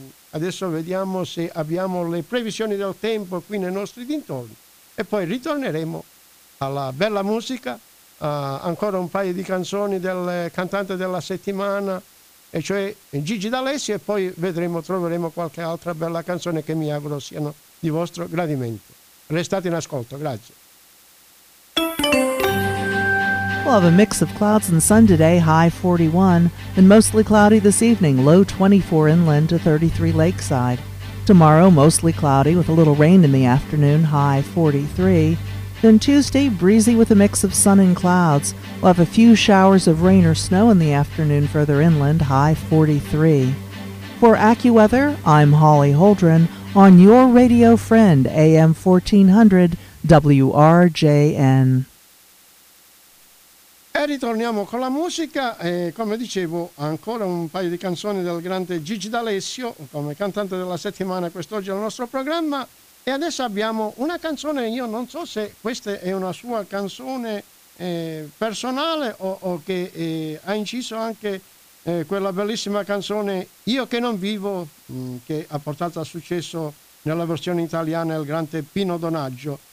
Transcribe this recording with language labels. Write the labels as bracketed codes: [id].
[it] Adesso vediamo se abbiamo le previsioni del tempo qui nei nostri dintorni, e poi ritorneremo alla bella musica, ancora un paio di canzoni del cantante della settimana, e cioè Gigi D'Alessio, e poi vedremo, troveremo qualche altra bella canzone che mi auguro siano di vostro gradimento. Restate in ascolto, grazie. [en] We'll have a mix of clouds and sun today, high 41, and mostly cloudy this evening, low 24 inland to 33 lakeside. Tomorrow, mostly cloudy with a little rain in the afternoon, high 43. Then Tuesday, breezy with a mix of sun and clouds. We'll have a few showers of rain or snow in the afternoon further inland, high 43. For AccuWeather, I'm Holly Holdren on your radio friend, AM 1400, WRJN. [it] E ritorniamo con la musica, e come dicevo, ancora un paio di canzoni del grande Gigi D'Alessio come cantante della settimana quest'oggi al nostro programma. E adesso abbiamo una canzone, io non so se questa è una sua canzone personale o che ha inciso anche quella bellissima canzone Io che non vivo, che ha portato a successo nella versione italiana il grande Pino Donaggio.